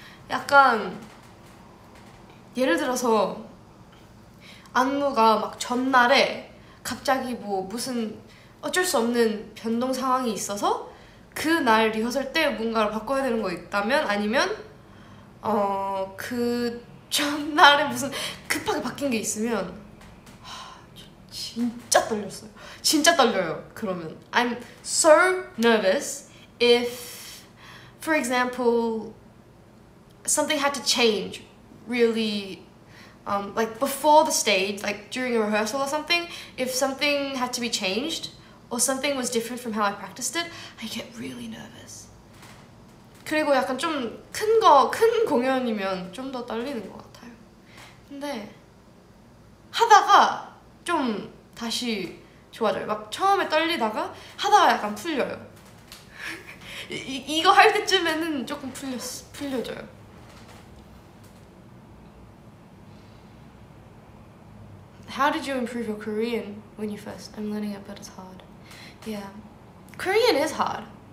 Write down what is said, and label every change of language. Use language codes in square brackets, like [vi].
[ko] 약간 예를 들어서 안무가 막 전날에 갑자기 뭐 무슨 어쩔 수 없는 변동 상황이 있어서 그날 리허설 때 뭔가를 바꿔야 되는 거 있다면 아니면 그 전날에 무슨 급하게 바뀐 게 있으면 하, 진짜 떨렸어요. 진짜 떨려요. 그러면 [en] I'm so nervous if for example something had to change really like before the stage, like during a rehearsal or something, if something had to be changed or something was different from how I practiced it, I get really nervous. [ko] 그리고 약간 좀 큰 거, 큰 공연이면 좀 더 떨리는 것 같아요. 근데 하다가 좀 다시 좋아져요. 막 처음에 떨리다가 하다가 약간 풀려요. 이거 할 때쯤에는 조금 풀려져요. [en] How did you improve your Korean when you first? I'm learning it, but it's hard. Yeah. Korean is hard.